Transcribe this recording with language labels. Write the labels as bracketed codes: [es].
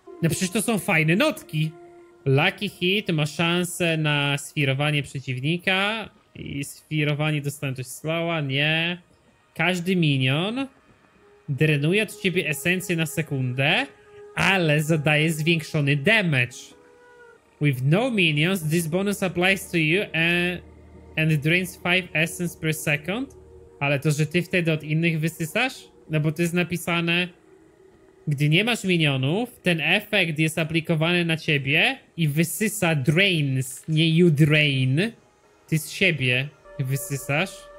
[pl] No przecież to są fajne notki. Lucky Hit ma szansę na sfirowanie przeciwnika i sfirowanie dostanę coś slowa, nie. Każdy minion drenuje od ciebie esencję na sekundę, ale zadaje zwiększony damage. [en] With no minions, this bonus applies to you and drains 5 essence per second. [pl] Ale to, że ty wtedy od innych wysysasz? No bo to jest napisane... Gdy nie masz minionów, ten efekt jest aplikowany na ciebie i wysysa drains, nie [en] you drain. [pl] Ty z siebie wysysasz.